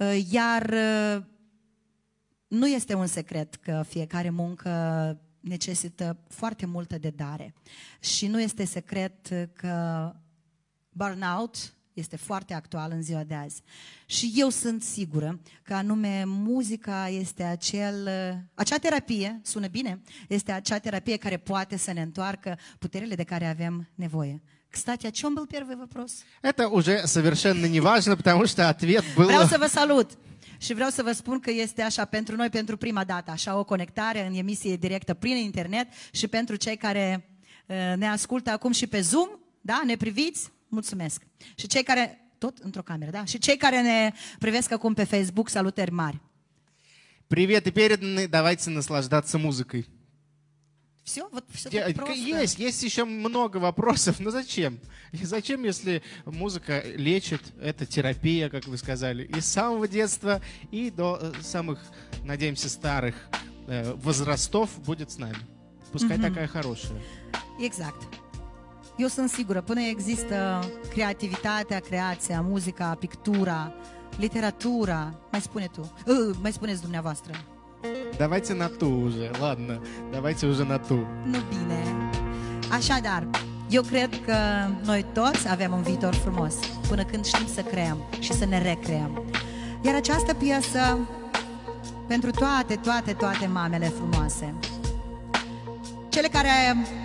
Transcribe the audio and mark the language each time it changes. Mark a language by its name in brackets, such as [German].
[Romanian] Iar nu este un secret că fiecare muncă necesită foarte multă dedare și nu este secret că burnout este foarte actual în ziua de azi. Și eu sunt sigură că anume muzica este acea terapie, sună bine, este acea terapie care poate să ne întoarcă puterile de care avem nevoie. [Russian] Кстати, о чем был первый вопрос? Это уже совершенно не важно, потому что ответ был... [Romanian] Vreau să vă salut! Și vreau să vă spun că este așa pentru noi, pentru prima dată, așa o conectare în emisie directă prin internet și pentru cei care ne ascultă acum și pe Zoom, da, ne priviți, mulțumesc. Și cei care, tot într-o cameră, da? Și cei care ne privesc acum pe Facebook, salutări mari. [Russian] Привет, и переданы, давайте наслаждаться музыкой. Все, вот все так просто. Есть еще много вопросов, но зачем? И зачем, если музыка лечит, это терапия, как вы сказали, и с самого детства, и до самых, надеемся, старых возрастов будет с нами. Пускай такая хорошая. [Romanian] Exact. Eu sunt sigură, până există creativitatea, creația, muzica, pictura, literatura, mai spune tu, mai spuneți dumneavoastră. [Russian] Давайте на ту уже, ладно, давайте уже на ту. [Romanian] Nu bine. Așadar, eu cred că noi toți avem un viitor frumos, până când știm să creăm și să ne recreăm. Iar această piesă, pentru toate, toate, toate mamele frumoase, cele care...